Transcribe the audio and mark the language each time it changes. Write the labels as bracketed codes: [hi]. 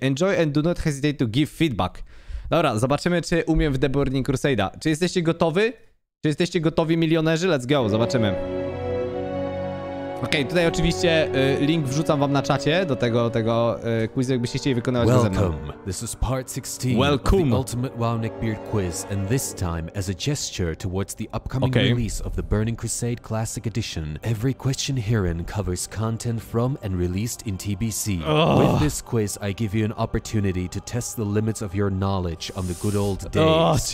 [en] Enjoy and do not hesitate to give feedback. [pl] Dobra, zobaczymy, czy umiem w The Burning Crusade. Czy jesteście gotowi? Czy jesteście gotowi, milionerzy? [en] Let's go, [pl] zobaczymy. Okej, tutaj oczywiście link wrzucam wam na czacie do tego quizu, jakbyście chcieli wykonywać go ze mną. [en] Welcome. This is part 16 Welcome. Of the Ultimate WoW Neckbeard Quiz, and this time as a gesture towards the upcoming release of the Burning Crusade Classic Edition. Every question herein covers content from and released in TBC. Ugh. With this quiz, I give you an opportunity to test the limits of your knowledge on the good old days,